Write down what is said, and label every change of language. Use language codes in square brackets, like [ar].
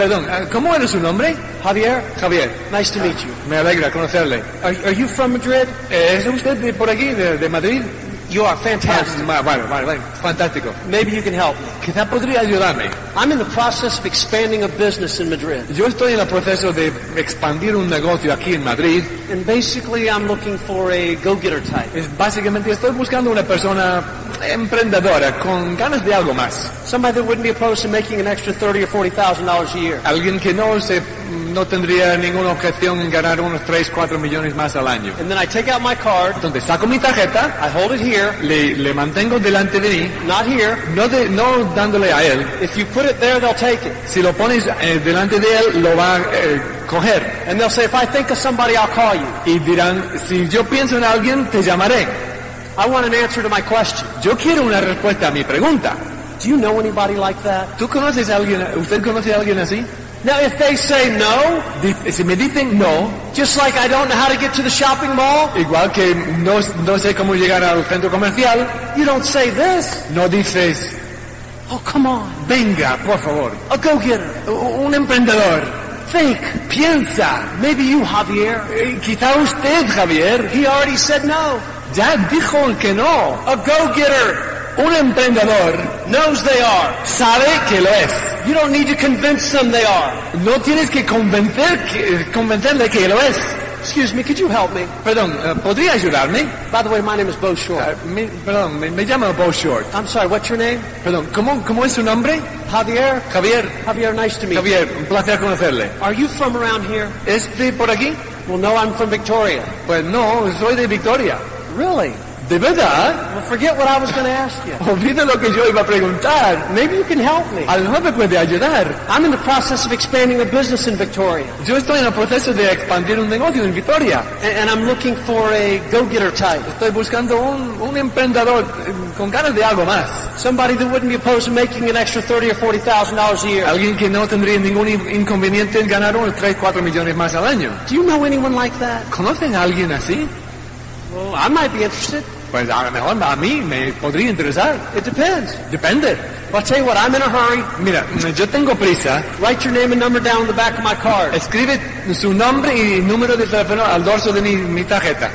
[es] Perdón, ¿cómo era su nombre? Javier. Javier. [en] Nice to meet you. [es] Me alegra conocerle. [en] Are you from Madrid? [es] ¿Es usted de por aquí, de Madrid? [en] You are fantastic. [es] Vale. Fantástico. [en] Maybe you can help me. [es] Quizá podría ayudarme. [en] I'm in the process of expanding a business in Madrid. [es] Yo estoy en el proceso de expandir un negocio aquí en Madrid. [en] And basically I'm looking for a go-getter type. [es] Básicamente estoy buscando una persona emprendedora con ganas de algo más. [en] Somebody that wouldn't be opposed to making an extra $30,000 or $40,000 a year. [es] Alguien que no tendría ninguna objeción en ganar unos 3-4 millones más al año. [en] And then I take out my card. [es] Entonces saco mi tarjeta. [en] I hold it here. [es] Le mantengo delante de mí. [en] Not here. [es] No dándole a él. [en] If you put it there, they'll take it. [es] Si lo pones delante de él, lo va a coger. [en] And they'll say, if I think of somebody, I'll call you. [es] Y dirán, si yo pienso en alguien, te llamaré. [en] I want an answer to my question. [es] Yo quiero una respuesta a mi pregunta. [en] Do you know anybody like that? [es] ¿Tú conoces a alguien? ¿Usted conoce a alguien así? [en] Now, if they say no, [es] si me dicen no, [en] just like I don't know how to get to the shopping mall, [es] igual que no sé cómo llegar al centro comercial, [en] you don't say this. [es] No dices, [en] oh, come on. [es] Venga, por favor. [en] A go-getter. [es] Un emprendedor. [en] Think. [es] Piensa. [en] Maybe you, Javier. [es] Quizá usted, Javier. [en] He already said no. [es] Ya dijo que no. [en] A go-getter. [es] Un emprendedor [en] knows they are. [es] Sabe que lo es. [en] You don't need to convince them they are. [es] No tienes que convencerle que lo es. [en] Excuse me, could you help me? [es] Perdón, ¿podría ayudarme? [en] By the way, my name is Bo Short. [es] Me llamo Bo Short. [en] I'm sorry, what's your name? [es] Perdón, ¿cómo es su nombre? Javier. Javier. [en] Javier, nice to meet you. [es] Javier, un placer conocerle. [en] Are you from around here? [es] ¿Es de por aquí? [en] Well, no, I'm from Victoria. [es] Pues no, soy de Victoria. [en] Really? [es] De verdad. [en] Well, forget what I was going to ask you. [es] Olvida lo que yo iba a preguntar. [en] Maybe you can help me. [es] A lo mejor me puede ayudar. [en] I'm in the process of expanding a business in Victoria. [es] Yo estoy en el proceso de expandir un negocio en Victoria. [en] And I'm looking for a go-getter type. [es] Estoy buscando un emprendedor con ganas de algo más. [en] Somebody that wouldn't be opposed to making an extra $30,000 or $40,000 a year. [es] Alguien que no tendría ningún inconveniente en ganar unos 3-4 millones más al año. [en] Do you know anyone like that? [es] ¿Conocen a alguien así? [en] Well, I might be interested. [es] Pues a lo mejor a mí me podría interesar. [en] It depends. [es] Depende. [en] Well, I'll tell you what, I'm in a hurry. [es] Mira, yo tengo prisa. [en] Write your name and number down on the back of my card. [es] Escribe su nombre y número de teléfono al dorso de mi tarjeta.